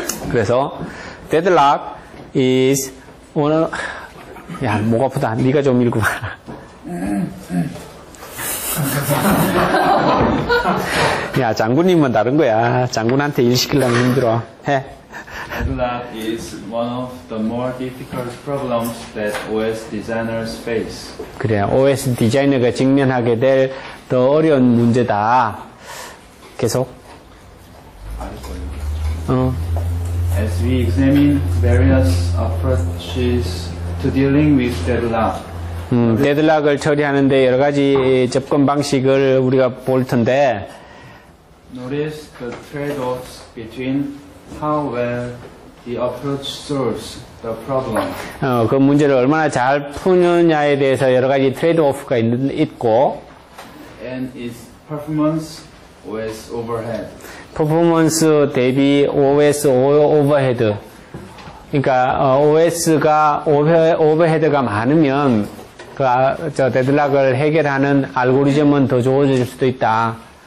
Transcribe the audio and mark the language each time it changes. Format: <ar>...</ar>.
<ko>그래서</ko> <en>데드락 is one</en> <ko>야, 목 아프다. 네가 좀 읽고 봐라. 야, 장군님은 다른 거야. 장군한테 일 시키려면 힘들어. 해.</ko> <en>Overlap is one of the more difficult problems that OS designers face.</en> <ko>그래, OS 디자이너가 직면하게 될 더 어려운 문제다. 계속.</ko> <en>As we examine various approaches to dealing with deadlock.</en> <ko>데드락을 처리하는데 여러 가지 접근 방식을 우리가 볼 텐데.</ko> <en>Notice the trade-offs between how well the approach solves the problem.</en> <ko>그 문제를 얼마나 잘 푸느냐에 대해서 여러 가지 트레이드오프가 있고.</ko> <en>And its performance OS overhead.</en> <ko>퍼포먼스 대비 OS 오버헤드. 그러니까 OS가 오버헤드가 많으면 그 저 데드락을 해결하는 알고리즘은 더 좋아질 수도 있다.</ko>